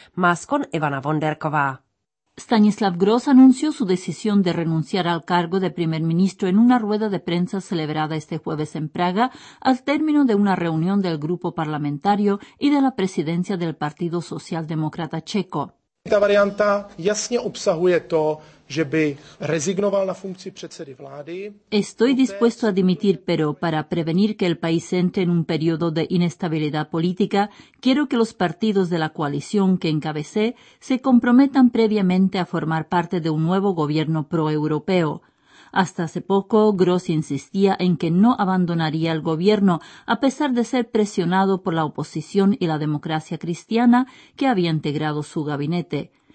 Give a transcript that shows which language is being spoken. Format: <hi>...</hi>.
<es>Más con Ivana Vonderková. Stanislav Gross anunció su decisión de renunciar al cargo de primer ministro en una rueda de prensa celebrada este jueves en Praga, al término de una reunión del grupo parlamentario y de la presidencia del Partido Socialdemócrata Checo.</es> <cs>Ta varianta jasně obsahuje to, že by rezignoval na funkci předsedy vlády.</cs> <es>Estoy dispuesto a dimitir, pero para prevenir que el país entre en un periodo de inestabilidad política, quiero que los partidos de la coalición que encabecé se comprometan previamente a formar parte de un nuevo gobierno proeuropeo. Hasta hace poco, Gross insistía en que no abandonaría el gobierno, a pesar de ser presionado por la oposición y la democracia cristiana que había integrado su gabinete.</es>